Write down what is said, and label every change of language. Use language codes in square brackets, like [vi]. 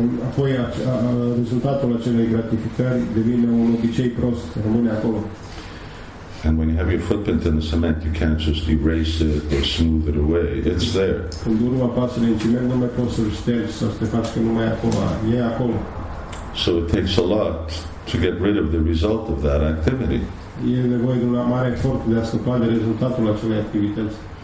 [ro] Apoi rezultatul acelei gratificări devine un obicei prost, rămâne acolo. [en] And when you have your footprint in the cement, you can't just erase it or smooth it away. It's there. [ro] Când urma pasul în ciment, nu mai poți să-l ștergi sau să te faci că nu mai e acolo. E acolo. [en] So it takes a lot to get rid of the result of that activity. [ro] E nevoie de un mare efort de a scăpa de rezultatul acelei activități.